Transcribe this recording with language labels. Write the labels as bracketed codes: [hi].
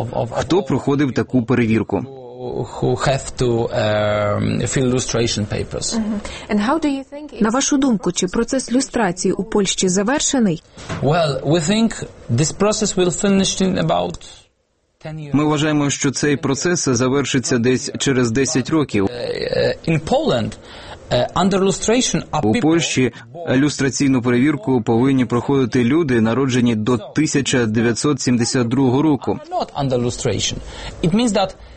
[uk] Хто проходив таку перевірку? [en] Who have to fill illustration papers. Mm-hmm. And how do you think [uk] на вашу думку, чи процес люстрації у Польщі завершений? [en] Well, we think this process will finish in about 10 years. [uk] Ми вважаємо, що цей процес завершиться десь через 10 років. [en] In Poland under lustration [uk] у Польщі люстраційну перевірку повинні проходити люди, народжені до 1972 року. [en] Not under lustration. It means that